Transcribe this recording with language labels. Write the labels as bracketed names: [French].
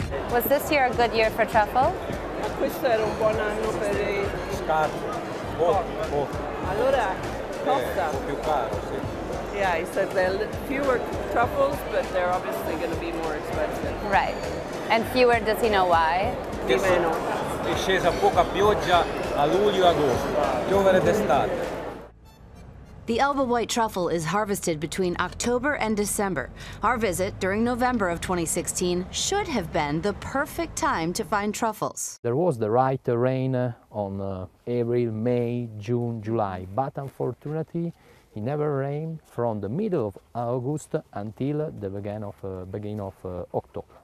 [English] Was this year a good year for truffle? [Italian] Questo era un buon anno per i scarpe. Allora, costa. Più caro, sì. [English] Yeah, he said there are fewer truffles, but they're obviously going to be more expensive. Right. And fewer, does he know why? [Italian] Di meno. È scesa poca pioggia a luglio e agosto. Piovere d'estate. [English] The Alba white truffle is harvested between October and December. Our visit during November of 2016 should have been the perfect time to find truffles. There was the right rain on April, May, June, July, but unfortunately, it never rained from the middle of August until the beginning of October.